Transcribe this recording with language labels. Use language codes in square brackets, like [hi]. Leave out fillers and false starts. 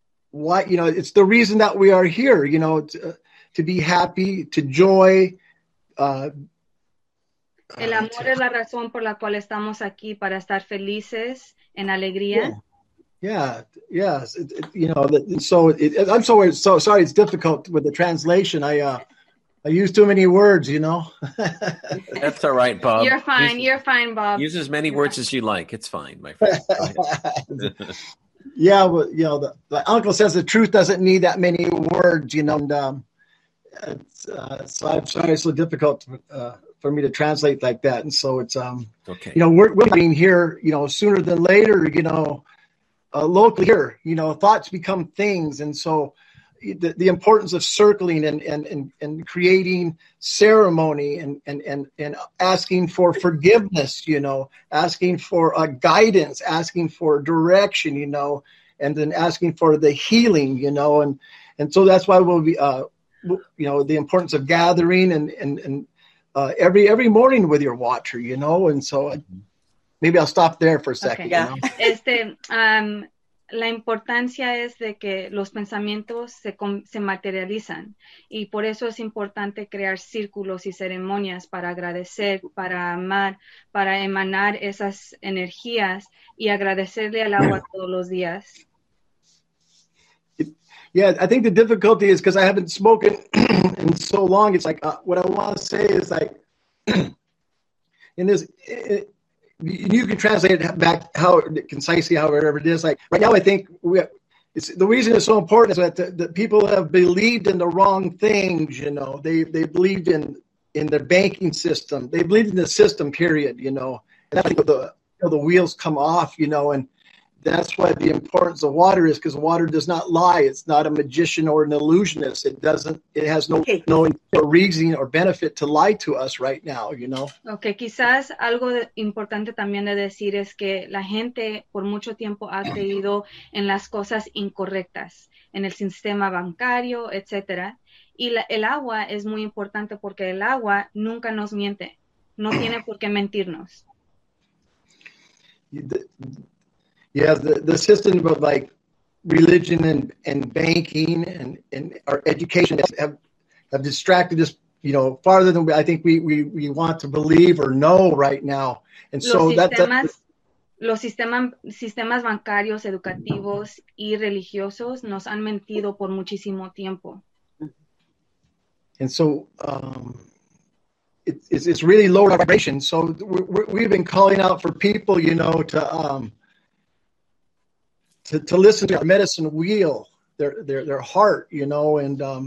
[en] Why, you know, it's the reason that we are here, you know, to be happy, to joy. [es] El amor es la razón por la cual estamos aquí, para estar felices, en alegría. [en] Yes. I'm sorry. It's difficult with the translation. I use too many words, you know. That's all right, Bob. You're fine. Bob. Use as many words as you like. It's fine, my friend. Yeah, well, you know, the uncle says the truth doesn't need that many words, you know. And, so I'm sorry. It's so difficult for me to translate like that. And so it's, okay. You know, we're being here, you know, sooner than later, you know, locally here, you know, thoughts become things. And so the importance of circling and creating ceremony and asking for forgiveness, you know, asking for guidance, asking for direction, you know, and then asking for the healing, you know, and so that's why we'll be, you know, the importance of gathering and every morning with your watcher, you know, and so maybe I'll stop there for a second. Okay. You know? [es] La importancia es de que los pensamientos se materializan, y por eso es importante crear círculos y ceremonias para agradecer, para amar, para emanar esas energías y agradecerle al agua todos los días. [en] Yeah, I think the difficulty is because I haven't spoken in so long. It's like what I want to say is like in this. You can translate it back how concisely, however it is. Like right now, I think the reason it's so important is that the people have believed in the wrong things. You know, they believed in the banking system. They believed in the system. Period. You know, and that's the wheels come off. You know, and that's why the importance of water is, because water does not lie. It's not a magician or an illusionist. It doesn't. It has no reason or benefit to lie to us right now, you know? [es] Okay, quizás algo importante también de decir es que la gente por mucho tiempo ha creído en las cosas incorrectas, en el sistema bancario, etc. Y el agua es muy importante porque el agua nunca nos miente. No tiene por qué mentirnos. [en] The system of like religion and banking and our education have distracted us, you know, farther than I think we want to believe or know right now. And so [es] los sistemas bancarios, educativos y religiosos nos han mentido por muchísimo tiempo. [en] And so it's really low vibration. So we've been calling out for people, you know, to listen to our medicine wheel, their heart, you know, and